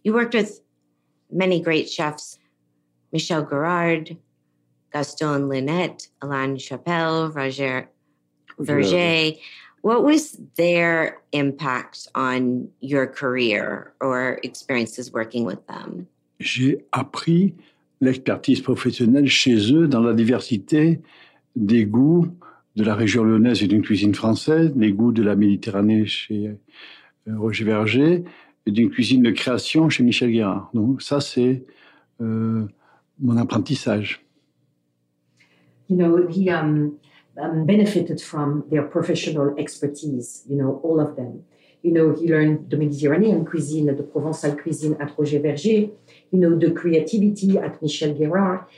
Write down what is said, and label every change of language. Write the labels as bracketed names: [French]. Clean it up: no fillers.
[English] You worked with many great chefs, Michel Gérard, Gaston Linette, Alain Chapelle, Roger Verger. What was their impact on your career or experiences working with them? [French] J'ai appris l'expertise professionnelle chez eux dans la diversité des goûts de la région lyonnaise et d'une cuisine française, les goûts de la Méditerranée chez Roger Verger et d'une cuisine de création chez Michel Gérard. Donc ça, c'est mon apprentissage. [English] You know, he benefited from their professional expertise, you know, all of them. You know, he learned the Mediterranean cuisine, the Provençal cuisine at Roger Verger, you know, the creativity at Michel Gérard.